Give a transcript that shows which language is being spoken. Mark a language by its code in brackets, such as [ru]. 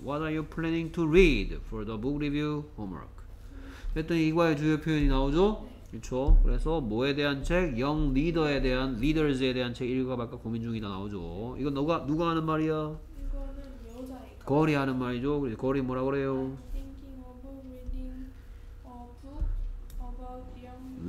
[en] What are you planning to read for the book review homework? [ko] 그랬더니 이과의 주요 표현이 나오죠? 그렇죠. 그래서 뭐에 대한 책? 영 리더에 대한, 리더즈에 대한 책 읽어 봐까 고민 중이다 나오죠. 이건 누가 하는 말이야? 이거는 여자애가 거리 하는 말이죠. 그래서 거리 뭐라 그래요? [en] I'm thinking of reading a book about young